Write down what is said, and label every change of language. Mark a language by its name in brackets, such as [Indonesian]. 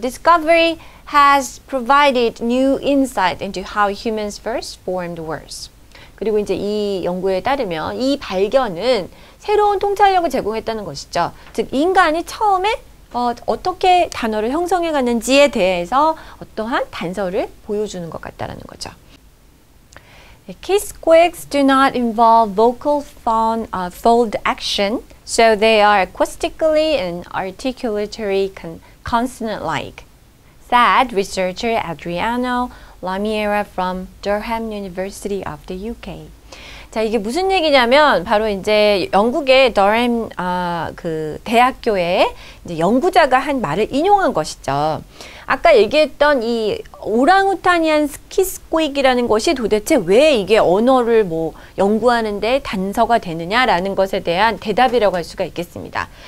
[English] Discovery has provided new insight into how humans first formed words. [Korean] 그리고 이제 이 연구에 따르면 이 발견은 새로운 통찰력을 제공했다는 것이죠. 즉 인간이 처음에 어떻게 단어를 형성해 갔는지에 대해서 어떠한 단서를 보여주는 것 같다라는 거죠. [English] Kiss squeaks do not involve vocal fold action, so they are acoustically and articulatory consonant-like, said researcher Adriano Lamiera from Durham University of the UK. [Korean] 자, 이게 무슨 얘기냐면 바로 이제 영국의 더햄 그 대학교의 이제 연구자가 한 말을 인용한 것이죠. 아까 얘기했던 이 오랑우탄이한 스키스코익이라는 것이 도대체 왜 이게 언어를 뭐 연구하는 데 단서가 되느냐라는 것에 대한 대답이라고 할 수가 있겠습니다.